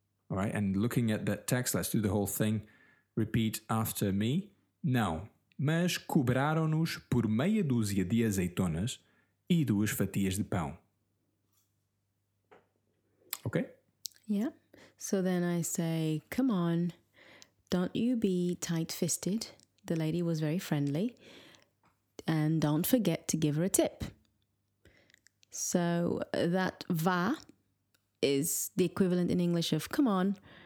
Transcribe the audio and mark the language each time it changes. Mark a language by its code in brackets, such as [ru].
[en] All right, and looking at that text, let's do the whole thing. Repeat after me. [pt] Não, mas cobraram-nos por meia dúzia de azeitonas e duas fatias de pão. [en] Ok? Yeah. So then I say, come on, don't you be tight-fisted. The lady was very friendly. And don't forget to give her a tip. So that va is the equivalent in English of come on.